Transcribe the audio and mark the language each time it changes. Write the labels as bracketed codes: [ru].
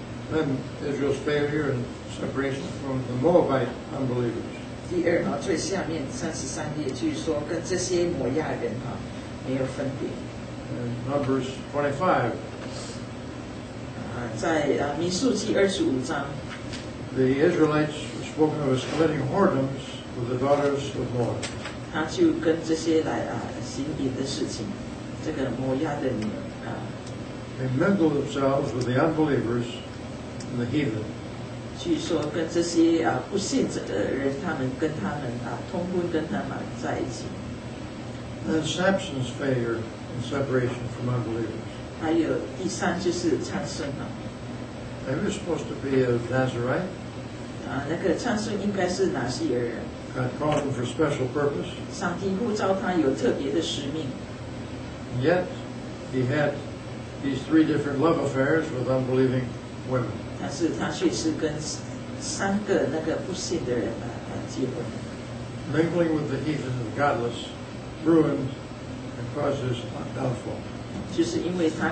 [en] Then Israel's failure and separation from the Moabite unbelievers. [zh] 第二，最下面33页，据说跟这些摩亚人没有分别。 [en] Numbers 25. [zh] 在民数记25章。 [en] The Israelites were spoken of as committing whoredoms with the daughters of Moab. They mingled themselves with the unbelievers and the heathen. [zh] 据说跟这些不信者的人，他们跟他们通婚，跟他们在一起。 [en] Then Samson's failure in separation from unbelievers. [zh] 还有第三就是参孙了。 [en] Now, who's supposed to be a Nazarite? [zh] 那个参孙应该是哪些人? [en] God called him for special purpose. [zh] 上帝呼召他有特别的使命。 [en] Yet, he had these three different love affairs with unbelieving women. [zh] 但是他确实跟三个那个不信的人结婚。 [en] Mingling with the heathen and the godless ruins and causes downfall.